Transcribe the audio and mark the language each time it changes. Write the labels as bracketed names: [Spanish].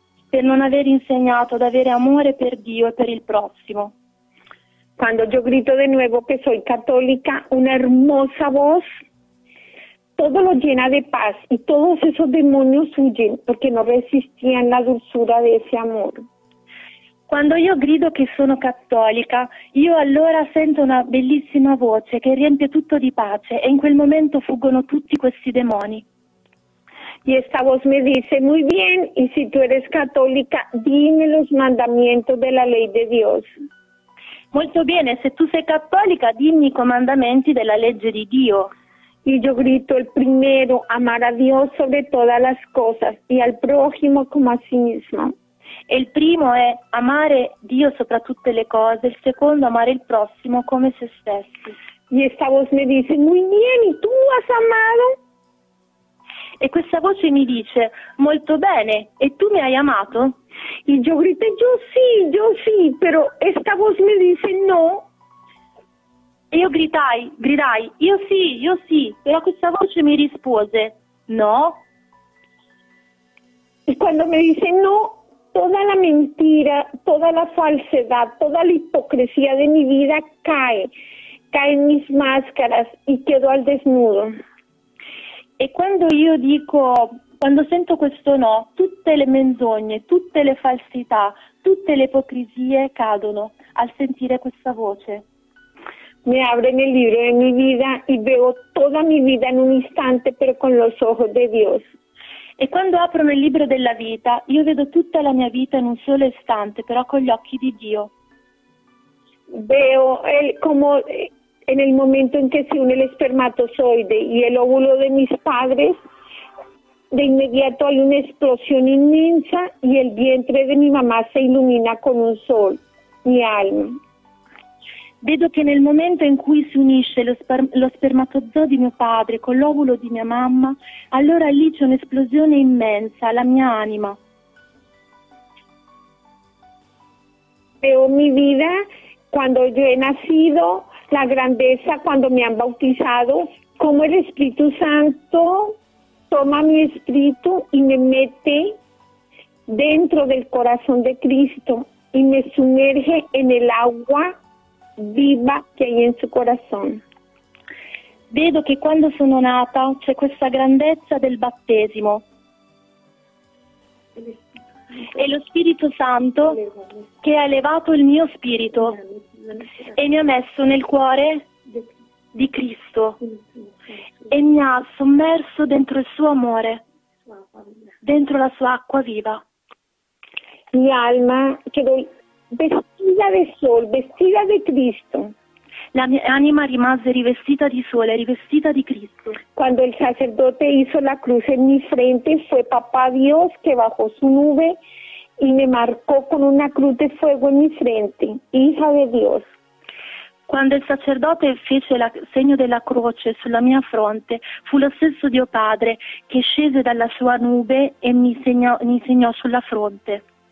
[Italian] Per non aver insegnato ad avere amore per Dio e per il prossimo. [Spanish] Quando yo grito de nuevo que soy católica, una hermosa voz todo lo llena de paz y todos esos demonios huyen porque no resistían la dulzura de ese amor. Cuando yo grito [Italian] que sono cattolica, io allora sento una bellissima voce che riempie tutto di pace e in quel momento fuggono tutti questi demoni. [Spanish] Y esta voz me dice, muy bien, y si tú eres católica, dime los mandamientos de la ley de Dios. [Italian] Molto bene, se tu sei cattolica, dimmi i comandamenti della legge di Dio. [Spanish] Y yo grito el primero, amar a Dios sobre todas las cosas y al prójimo como a sí mismo. [Italian] El primo è amare Dio sopra tutte le cose, il secondo amare il prossimo come se stessi. [Spanish] Y esta voz me dice, muy bien, ¿y tú has amado? [Italian] E questa voce mi dice, molto bene, e tu mi hai amato? [Spanish] Y yo grité, yo sí, pero esta voz me dice no. [Italian] E io gridai, io sì, però questa voce mi rispose, no. E quando mi dice no, tutta la mentira, tutta la falsità, tutta l'ipocrisia di mia vita [Spanish] cae in mis máscaras e quedo al desnudo. [Italian] E quando io dico, quando sento questo no, tutte le menzogne, tutte le falsità, tutte le ipocrisie cadono al sentire questa voce. Mi apre nel libro di mia vita e vedo tutta mia vita in un istante, però [Spanish] con los ojos de Dios. [Italian] E quando apro nel libro della vita, io vedo tutta la mia vita in un solo istante, però con gli occhi di Dio. [Spanish] Veo come... En el momento en que se une el espermatozoide y el óvulo de mis padres, de inmediato hay una explosión inmensa y el vientre de mi mamá se ilumina con un sol, mi alma. [Italian] Vedo che nel momento in cui si unisce lo spermatozoo di mio padre con l'ovulo di mia mamma, allora lì c'è un'esplosione immensa, la mia anima. [Spanish] Veo mi vida cuando yo he nacido. La grandeza cuando me han bautizado, como el Espíritu Santo toma mi espíritu y me mete dentro del corazón de Cristo y me sumerge en el agua viva que hay en su corazón. [Italian] Vedo che quando sono nata c'è questa grandezza del battesimo. È lo Spirito Santo che ha elevato il mio spirito e mi ha messo nel cuore di Cristo e mi ha sommerso dentro il suo amore, dentro la sua acqua viva. [Spanish] Mi alma quedò [Italian] vestita di sole, vestita di Cristo. La mia anima rimase rivestita di sole, rivestita di Cristo. Quando il sacerdote [Spanish] hizo la cruz en mi frente, fue papà Dios che bajó su nube y me marcó con una cruz de fuego en mi frente, hija de Dios. [Italian] Quando il sacerdote fece il segno della croce sulla mia fronte, fu lo stesso Dio Padre che scese dalla sua nube e mi segnò sulla fronte.